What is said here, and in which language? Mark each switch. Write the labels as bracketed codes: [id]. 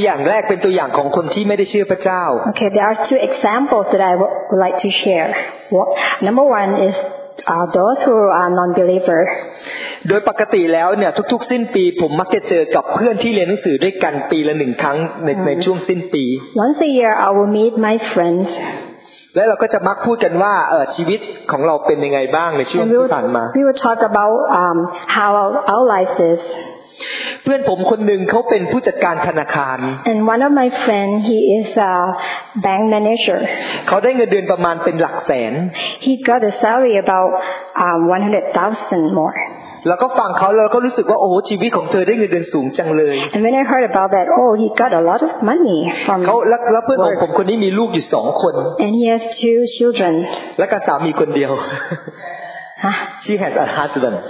[th] ผมจะเล่าตัวอย่างอยู่สองตัวอย่างตัวอย่างแรกเป็นตัวอย่างของคนที่ไม่ได้เชื่อพระเจ้า [en] Okay, there are two examples that I would like to share. Number one is those who are non-believer. [th] โดยปกติแล้วเนี่ยทุกๆสิ้นปีผมมักจะเจอกับเพื่อนที่เรียนหนังสือด้วยกันปีละหนึ่งครั้งในช่วงสิ้นปี [en] Once a year, I will meet my friends. [th] แล้วเราก็จะมักพูดกันว่าชีวิตของเราเป็นยังไงบ้างในช่วงที่ผ่านมา [en] We will talk about how our life is. [th] เพื่อนผมคนหนึ่งเขาเป็นผู้จัดการธนาคาร [en] And one of my friends, he is a bank manager. [th] เขาได้เงินเดือนประมาณเป็นหลักแสน [en] He got a salary about 100,000 more. [th] แล้วก็ฟังเขาแล้วก็รู้สึกว่าโอ้ชีวิตของเธอได้เงินเดือนสูงจังเลย [en] And when I heard about that, oh, he got a lot of money from [th] เขาแล้วเพื่อนของผมคนนี้มีลูกอยู่ 2 คน [en] And he has two children. [th] แล้วก็สามีคนเดียว [en] She has a husband.